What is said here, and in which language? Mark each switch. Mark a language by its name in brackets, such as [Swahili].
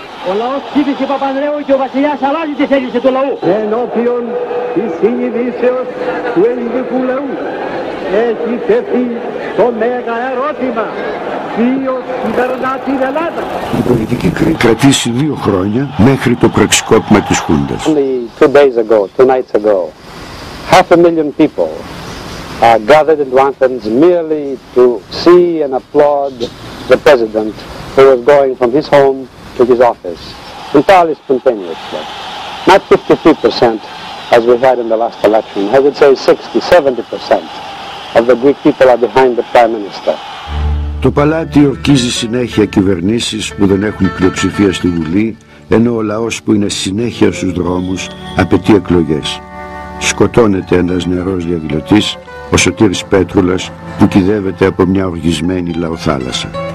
[Greek] Ο λαός ψήφισε Παπανδρέου και ο βασιλιάς αλλάζει τη θέληση του λαού. Ενώπιον τη συνειδήσεως του ελληνικού λαού έχει τεθεί το μέγα ερώτημα. Η πολιτική κρατήσει δύο χρόνια μέχρι το πραξικόπημα της Χούντας. [English] Only two days ago, two nights ago, half a million people are gathered in Athens merely to see and applaud the president who was going from his home to his office entirely spontaneously. Not 53% as we had in the last election. I would say 60-70% of the Greek people are behind the prime minister. [Greek] Το παλάτι ορκίζει συνέχεια κυβερνήσεις που δεν έχουν πλειοψηφία στη Βουλή, ενώ ο λαός που είναι συνέχεια στους δρόμους απαιτεί εκλογές. Σκοτώνεται ένας νεαρός διαδηλωτής, ο Σωτήρης Πέτρουλας, που κυδεύεται από μια οργισμένη λαοθάλασσα.